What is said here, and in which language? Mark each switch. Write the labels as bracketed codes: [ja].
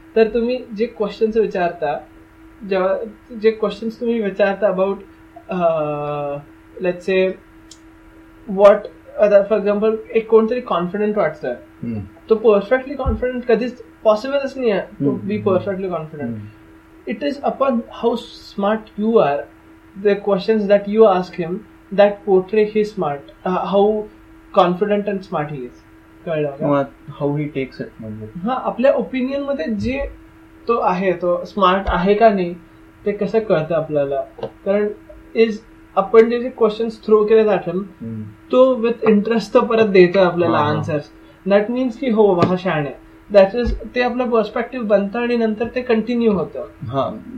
[mr] तर तुम्ही जे क्वेश्चन्स विचारता, जे क्वेश्चन्स तुम्ही विचारता [en] about let's say what, [mr] आता [en] for example [mr] एक कोणतरी कॉन्फिडंट वाटतं, तो परफेक्टली कॉन्फिडंट कधीच पॉसिबलच नाही आहे [en] To be perfectly confident. it is upon how smart you are, the questions that you ask him that portray his smart, how confident and smart he is. How he takes it. [mr] हाँ आपल्या opinion मध्ये जे तो आहे तो smart आहे का नाही ते कसं कळतं आपल्याला, कारण इज आपण जे क्वेश्चन थ्रो केले जातात तो [en] with interest [mr] तर परत देतो आपल्याला आन्सर्स. [en] that means [mr] की हो वा शाणे, [en] that is [mr] ते आपलं पर्स्पेक्टिव्ह बनतं आणि नंतर ते कंटिन्यू होतं.